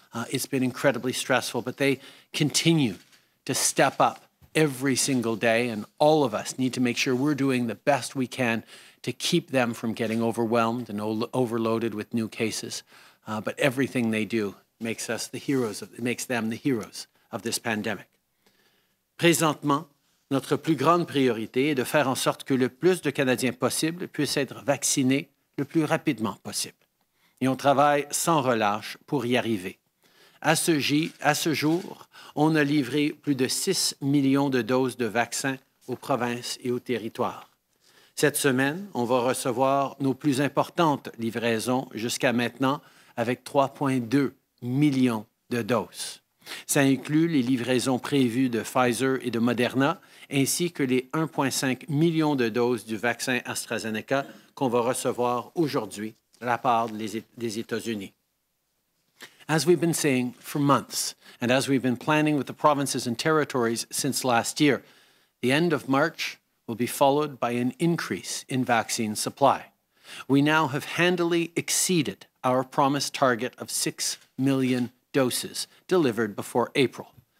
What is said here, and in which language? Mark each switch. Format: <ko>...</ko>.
<en>It's been incredibly stressful, but they continue to step up every single day, and all of us need to make sure we're doing the best we can to keep them from getting overwhelmed and overloaded with new cases. But everything they do makes us the heroes, makes them the heroes of this pandemic.</en> <fr>Présentement, notre plus grande priorité est de faire en sorte que le plus de Canadiens possible puissent être vaccinés le plus rapidement possible. Et on travaille sans relâche pour y arriver. À ce jour, on a livré plus de 6 millions de doses de vaccins aux provinces et aux territoires. Cette semaine, on va recevoir nos plus importantes livraisons jusqu'à maintenant avec 3,2 millions de doses. Ça inclut les livraisons prévues de Pfizer et de Moderna, ainsi que les 1,5 millions de doses du vaccin AstraZeneca qu'on va recevoir aujourd'hui de la part des États-Unis.</fr> <en>As we've been saying for months, and as we've been planning with the provinces and territories since last year, the end of March will be followed by an increase in vaccine supply. We now have handily exceeded our promised target of 6 million doses delivered before April.</en>